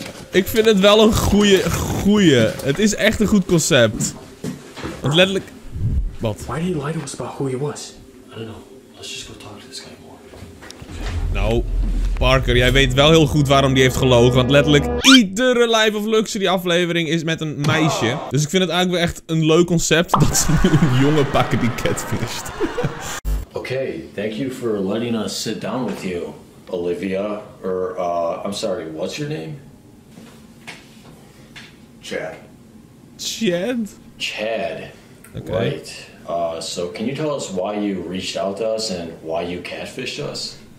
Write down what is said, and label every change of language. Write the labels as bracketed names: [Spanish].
[Dutch] Ik vind het wel een goeie. Het is echt een goed concept. Want letterlijk... Wat? [English] Why did he lie to us about who he was? I don't know. Let's just go talk to this guy more. [Dutch] Nou, Parker, jij weet wel heel goed waarom die heeft gelogen. Want letterlijk iedere Life of Luxury aflevering is met een meisje. Dus ik vind het eigenlijk wel echt een leuk concept dat ze nu een jongen pakken die catfished. [English] Okay, thank you for letting us sit down with you. Olivia, I'm sorry, what's your name? Chad? Chad. Okay. Right. So can you tell us why you reached out to us and why you catfished us?